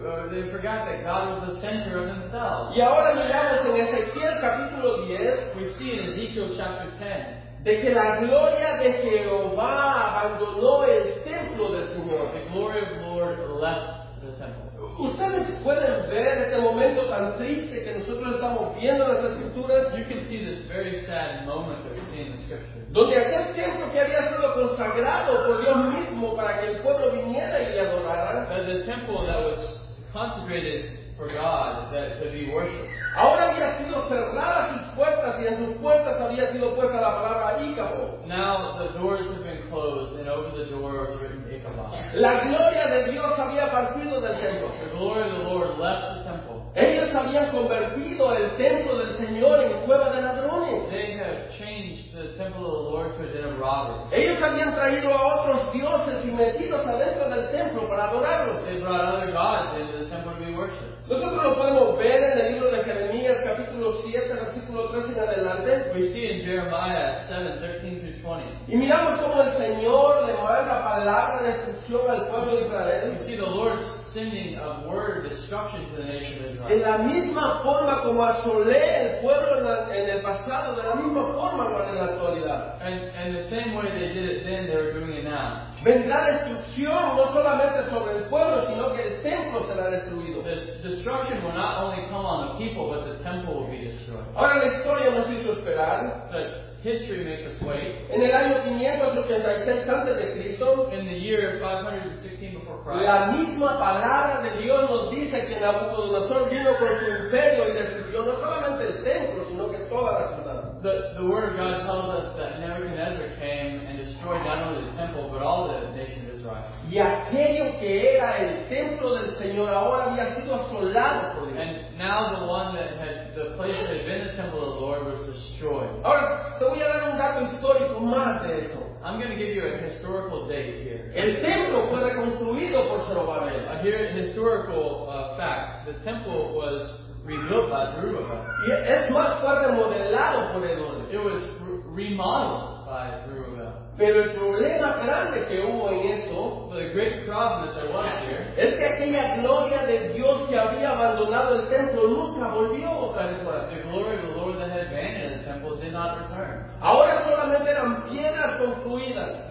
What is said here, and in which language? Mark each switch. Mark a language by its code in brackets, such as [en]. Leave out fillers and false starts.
[en] They forgot that God was the center of themselves. [es] Y ahora miramos en Ezequiel capítulo 10. [en] We see in Ezekiel chapter 10. [es] De que la gloria de Jehová abandonó el templo del Señor. [en] The glory of the Lord left the temple. [es] Ustedes pueden ver este momento tan triste que nosotros estamos viendo en las Escrituras. [en] You can see this very sad moment that we see in the Scriptures. [es] Donde aquel templo que había sido consagrado por Dios mismo para que el pueblo viniera y le adorara. [en] The temple that was consecrated for God that to be worshipped. [es] Ahora había sido cerrada sus puertas y en sus puertas había sido puesta la palabra Ícaro. [en] Now the doors have been closed and over the door was written Ichabod. [es] La gloria de Dios había partido del templo. [en] The glory of the Lord left the temple. [es] Ellos habían convertido el templo del Señor en cueva de ladrones. [en] They have changed the temple of the Lord to a den of robbers. [es] Ellos habían traído a otros dioses y metidos adentro del templo para adorarlos. [en] They brought other gods into the temple to be worshipped. [es] Nosotros lo podemos ver en el libro de Jeremías, capítulo 7, versículo 3 en adelante. [en] We see in Jeremiah 7, 13 through 20. [es] Y miramos cómo el Señor le mueve la palabra de destrucción al pueblo de Israel. [en] We see the Lord sending a word of destruction to the nation of Israel. [es] En la misma forma como asolé el pueblo en el pasado, de la misma forma lo hará en la actualidad. [en] And the same way they did it then, they're doing it now. [es] Vendrá destrucción no solamente sobre el pueblo, sino que el templo será destruido. [en] Destruction will not only come on the people, but the temple will be destroyed. [es] Ahora la historia nos hizo esperar. [en] But history makes us wait. [es] En el año 586 antes de Cristo. [en] In the year 516 before Christ. [es] La misma palabra de Dios nos dice que Nabucodonosor vino con su imperio y destruyó no solamente el templo, sino que toda la ciudad. [en] The word of God tells us that Nebuchadnezzar came and destroyed not only the temple, but all the nation of Israel. [es] Y aquello que era el templo del Señor ahora había sido asolado por Dios. [en] And now the one that had, the place that had been the temple of the Lord was destroyed. [es] Ahora, te voy a dar un dato histórico más de eso. [en] I'm going to give you a historical date here. [es] El templo fue reconstruido por Zerubbabel. [en] Here's a historical fact. The temple was rebuilt by Zerubbabel. [es] Es más, fue remodelado por el Lord. [en] It was remodeled by Zerubbabel. [es] Pero el problema grande que hubo en eso, [en] the great problem that there was here, [es] es que aquella gloria de Dios que había abandonado el templo nunca volvió otra vez más. [en] The glory of the Lord that had abandoned the temple did not return. [es] Ahora solamente eran piedras construidas.